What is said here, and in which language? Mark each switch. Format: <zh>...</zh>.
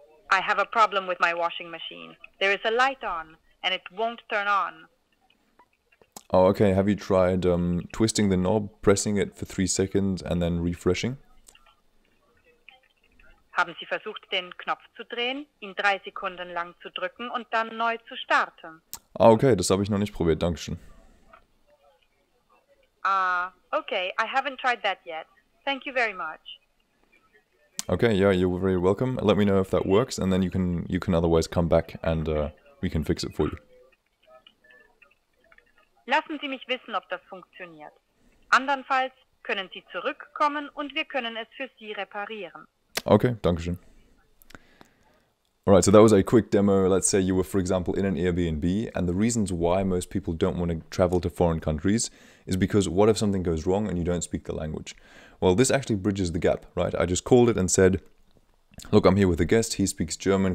<en>I have a problem with my washing machine. There is a light on and it won't turn on. Oh, okay. Have you tried twisting the knob, pressing it for 3 seconds and then refreshing?</en> <de>Haben Sie versucht, den Knopf zu drehen, ihn 3 Sekunden lang zu drücken und dann neu zu starten? Ah, okay, das habe ich noch nicht probiert. Dankeschön.</de> <en>Ah, okay, I haven't tried that yet. Thank you very much. Okay, yeah, you're very welcome. Let me know if that works and then you can otherwise come back and we can fix it for you.</en> <de>Lassen Sie mich wissen, ob das funktioniert. Andernfalls können Sie zurückkommen und wir können es für Sie reparieren. Okay, danke schön.</de> <en>All right, so that was a quick demo. Let's say you were, for example, in an Airbnb, and the reasons why most people don't want to travel to foreign countries is because what if something goes wrong and you don't speak the language? Well, this actually bridges the gap, right? I just called it and said, look, I'm here with a guest. He speaks German.</en>